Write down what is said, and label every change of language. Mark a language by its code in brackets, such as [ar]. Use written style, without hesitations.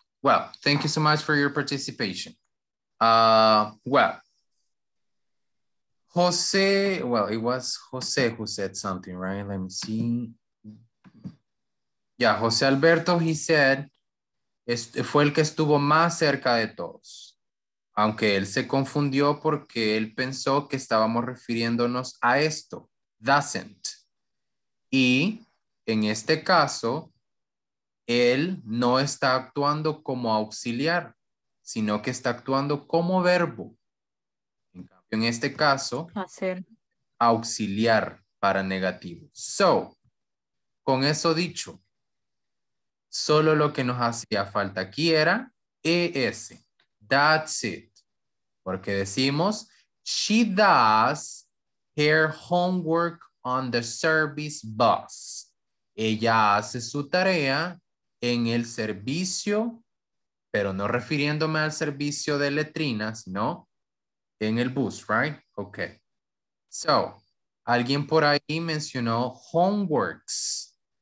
[en] Well, thank you so much for your participation. Well, Jose, well, it was Jose who said something, right? Let me see. [es] Yeah, Jose Alberto, [en] he said, [es] fue el que estuvo más cerca de todos. Aunque él se confundió porque él pensó que estábamos refiriéndonos a esto. Doesn't. Y en este caso, él no está actuando como auxiliar, sino que está actuando como verbo. En cambio, en este caso, hacer. Auxiliar para negativo. So, con eso dicho, solo lo que nos hacía falta aquí era ES. [en] That's it. [es] Porque decimos, [en] she does her homework on the service bus. [es] Ella hace su tarea en el servicio, pero no refiriéndome al servicio de letrinas, ¿no? En el bus, right? Okay. So, alguien por ahí mencionó homeworks.